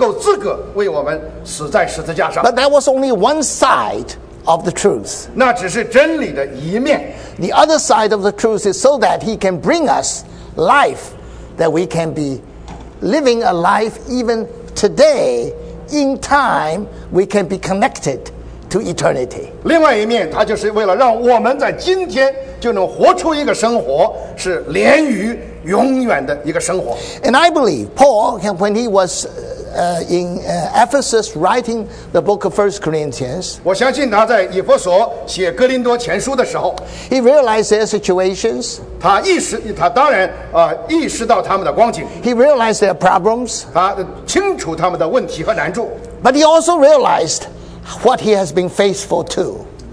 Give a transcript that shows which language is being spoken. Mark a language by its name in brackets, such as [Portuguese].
[Chinese] 我们的主耶稣当然在地上过了一个完全的,无瑕疵的为人的生活,只有他够资格为我们死在十字架上。 [English] But that was only one side of the truth. [Chinese] 那只是真理的一面。 [English] The other side of the truth is so that he can bring us life, that we can be living a life even today, in time, we can be connected to eternity. [Chinese] 另外一面,他就是为了让我们在今天就能活出一个生活,是连于永远的一个生活。 [English] And I believe Paul, when he was in Ephesus writing the book of 1 Corinthians, [Chinese] 我相信他在以弗所写哥林多前书的时候, [English] he realized their situations, [Chinese] 他意识到他们的光景, [English] he realized their problems, [Chinese] 他清楚他们的问题和难处, [English] but he also realized what he has been faithful to.